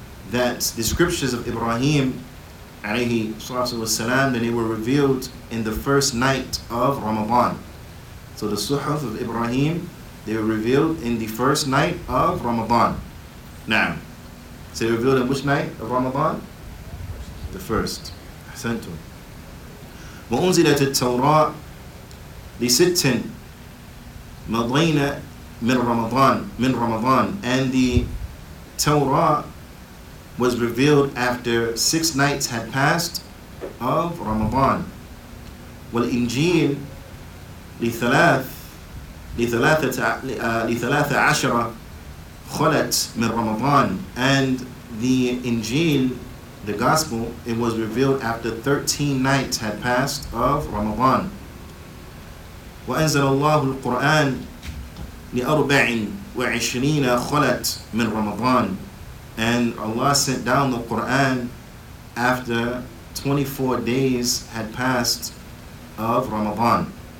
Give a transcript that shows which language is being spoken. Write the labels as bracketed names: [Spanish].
[English] That the scriptures of Ibrahim alayhi salatu wasalam, then they were revealed in the first night of Ramadan. So the suhuf of Ibrahim, they were revealed in the first night of Ramadan. Now, so they revealed in which night of Ramadan? The first. Ahsantu. [Arabic] وأنزلت التوراة لست مضين من رمضان من رمضان. [English] And the Torah was revealed after 6 nights had passed of Ramadan. [Arabic] والإنجيل لثلاثة عشرة خلت من رمضان. [English] And the Injil, the gospel, it was revealed after 13 nights had passed of Ramadan. [Arabic] وَأَنزَلَ اللَّهُ الْقُرْآنَ لِأَرْبَعٍ وَعِشْرِينَ خَلَتْ مِنْ رَمَضَانَ. [English] And Allah sent down the Quran after 24 days had passed of Ramadan.